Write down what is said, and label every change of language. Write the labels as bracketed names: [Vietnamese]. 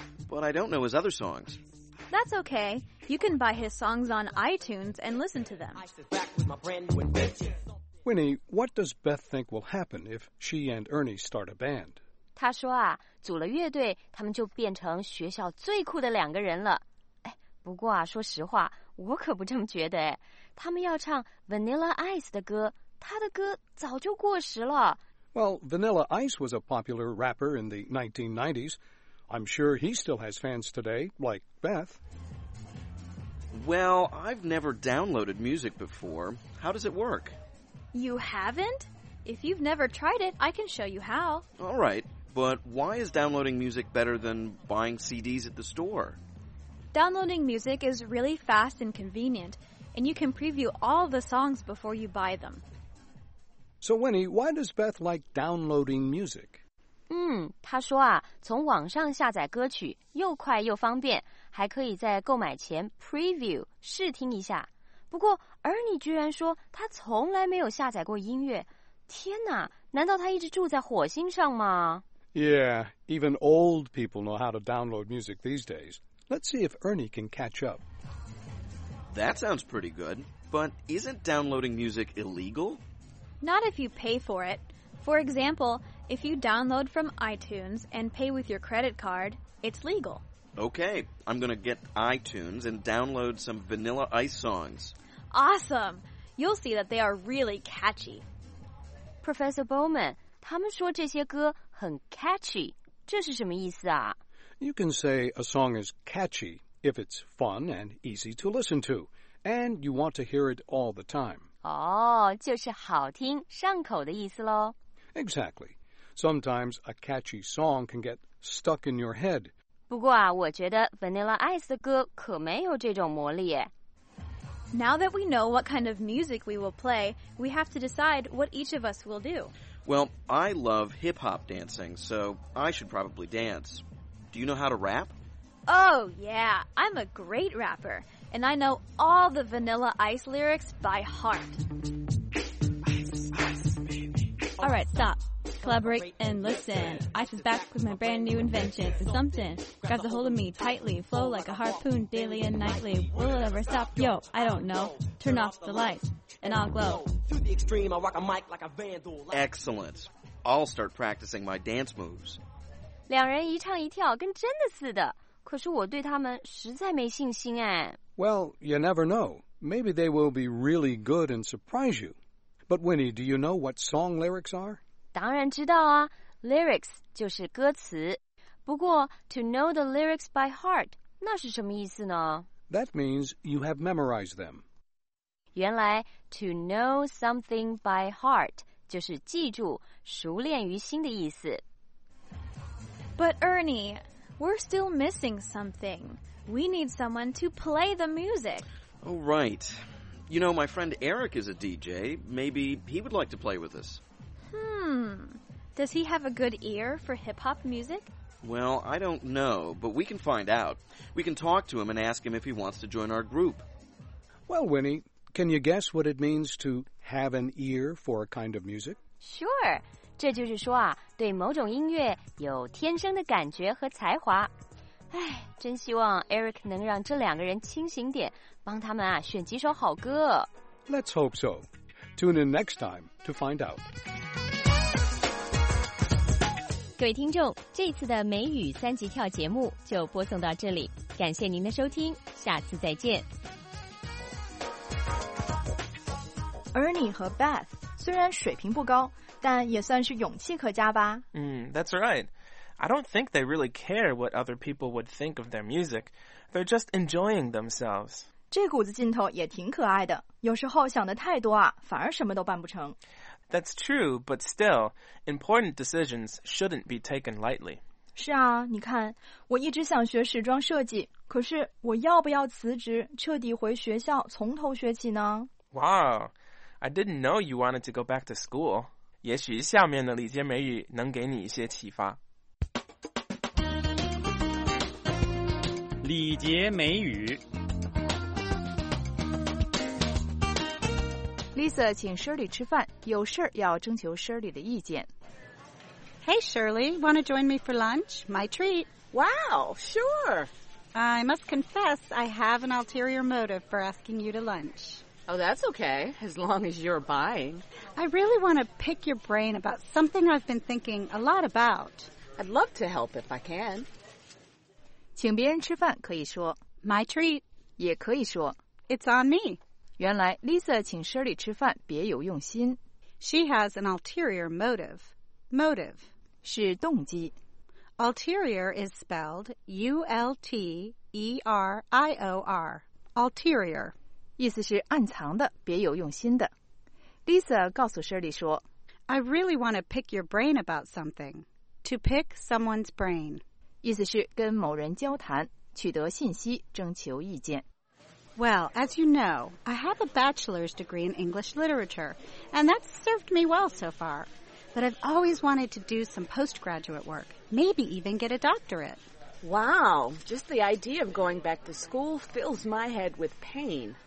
[English] But I don't know his other songs. That's okay. You can buy his songs on iTunes and listen to them. Winnie, what does Beth think will happen if she and Ernie start a band? [Chinese] 他说啊，组了乐队，他们就变成学校最酷的两个人了。哎，不过啊，说实话，我可不这么觉得。哎，他们要唱 Vanilla Ice 的歌，他的歌早就过时了。 [English] Well, Vanilla Ice was a popular rapper in the 1990s. I'm sure he still has fans today, like Beth. Well, I've never downloaded music before. How does it work? You haven't? If you've never tried it, I can show you how. All right, but why is downloading music better than buying CDs at the store? Downloading music is really fast and convenient, and you can preview all the songs before you buy them. So Winnie, why does Beth like downloading music? [Chinese] 她说啊，从网上下载歌曲又快又方便，还可以在购买前 preview 试听一下。不过 Ernie 居然说她从来没有下载过音乐。天哪，难道他一直住在火星上吗？ [English] Yeah, even old people know how to download music these days. Let's see if Ernie can catch up. That sounds pretty good, but isn't downloading music illegal? Not if you pay for it. For example, if you download from iTunes and pay with your credit card, it's legal. Okay, I'm going to get iTunes and download some Vanilla Ice songs. Awesome! You'll see that they are really catchy. [Chinese] Professor Bowman, 他们说这些歌很 catchy, 这是什么意思啊? [English] You can say a song is catchy if it's fun and easy to listen to, and you want to hear it all the time. [Chinese] 哦,就是好听,上口的意思咯。 [English] Exactly. Sometimes a catchy song can get stuck in your head. [Chinese] 不过啊,我觉得 Vanilla Ice 的歌可没有这种魔力耶。 [English] Now that we know what kind of music we will play, we have to decide what each of us will do. Well, I love hip-hop dancing, so I should probably dance. Do you know how to rap? Oh, yeah. I'm a great rapper, and I know all the Vanilla Ice lyrics by heart. All right, stop. Collaborate and listen. Ice is back with my brand new invention. It's something. Grabs a hold of me tightly. Flow like a harpoon daily and nightly. Will it ever stop? Yo, I don't know. Turn off the lights and I'll glow. Through the extreme, I rock a mic like a vandal. Excellent. I'll start practicing my dance moves. [Chinese] 两人一唱一跳跟真的似的。可是我对他们实在没信心哎。 [English] Well, you never know. Maybe they will be really good and surprise you. But Winnie, do you know what song lyrics are? [Chinese] 当然知道啊 ,lyrics 就是歌词。不过 , [English] to know the lyrics by heart, [Chinese] 那是什么意思呢 [English] ?That means you have memorized them. [Chinese] 原来 , [English] to know something by heart, [Chinese] 就是记住熟练于心的意思。 [English] But Ernie, we're still missing something. We need someone to play the music. Oh, right. You know, my friend Eric is a DJ. Maybe he would like to play with us. Does he have a good ear for hip-hop music? Well, I don't know, but we can find out. We can talk to him and ask him if he wants to join our group. Well, Winnie, can you guess what it means to have an ear for a kind of music? Sure. [Chinese] 这就是说啊，对某种音乐有天生的感觉和才华。唉，真希望 Eric 能让这两个人清醒点，帮他们啊，选几首好歌。 [English] Let's hope so. Tune in next time to find out. [Chinese] 各位听众，这次的美语三级跳节目就播送到这里，感谢您的收听，下次再见。 Ernie 和 Beth 虽然水平不高，但也算是勇气可嘉吧。 [English] That's right. I don't think they really care what other people would think of their music. They're just enjoying themselves. [Chinese] 这股子劲头也挺可爱的，有时候想得太多啊，反而什么都办不成。 [English] That's true, but still, important decisions shouldn't be taken lightly. [Chinese] 是啊，你看，我一直想学时装设计，可是我要不要辞职，彻底回学校，从头学起呢？ [English] Wow, I didn't know you wanted to go back to school. [Chinese] 也许下面的理解美语能给你一些启发。理解美语。 Lisa 请 Shirley 吃饭，有事儿要征求 Shirley 的意见。 [English] Hey Shirley, wanna join me for lunch? My treat. Wow, sure. I must confess, I have an ulterior motive for asking you to lunch. Oh, that's okay, as long as you're buying. I really want to pick your brain about something I've been thinking a lot about. I'd love to help if I can. [Chinese] 请别人吃饭可以说 [English] My treat. [Chinese] 也可以说 [English] It's on me. [Chinese] 原来 Lisa 请 Shirley 吃饭别有用心。 [English] She has an ulterior motive. Motive [Chinese] 是动机。 [English] Ulterior is spelled U-L-T-E-R-I-O-R. Ulterior [Chinese] 意思是暗藏的，别有用心的。 Lisa 告诉 Shirley 说 [English] I really want to pick your brain about something. To pick someone's brain [Chinese] 意思是跟某人交谈，取得信息，征求意见。 [English] Well, as you know, I have a bachelor's degree in English literature, and that's served me well so far. But I've always wanted to do some postgraduate work, maybe even get a doctorate. Wow, just the idea of going back to school fills my head with pain.